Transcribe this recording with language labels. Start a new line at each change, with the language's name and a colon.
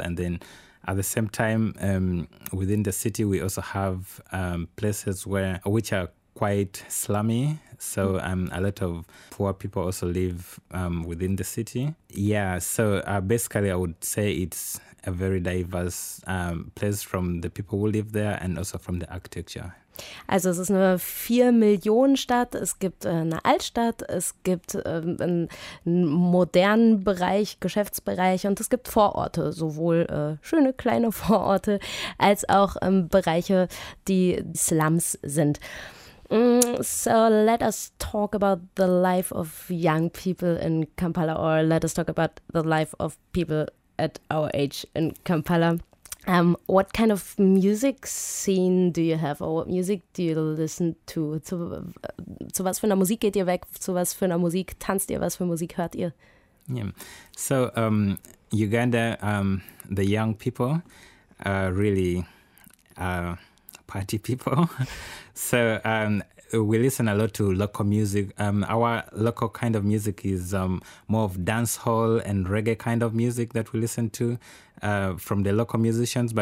English: And then at the same time, within the city, we also have places which are quite slummy. So a lot of poor people also live within the city. Yeah, so basically I would say it's a very diverse place from the people who live there and also from the architecture.
German: Also es ist eine 4-Millionen-Stadt, es gibt eine Altstadt, es gibt einen modernen Bereich, Geschäftsbereich und es gibt Vororte, sowohl schöne kleine Vororte als auch Bereiche, die Slums sind.
English: So let us talk about the life of young people in Kampala, or let us talk about the life of people at our age in Kampala. What kind of music scene do you have, or what music do you listen to?
German: Zu was für einer Musik geht ihr weg? Zu was für einer Musik tanzt ihr? Was für Musik hört ihr?
English: Yeah. So Uganda, the young people are really party people. So we listen a lot to local music. Our local kind of music is more of dancehall and reggae kind of music that we listen to from the local musicians.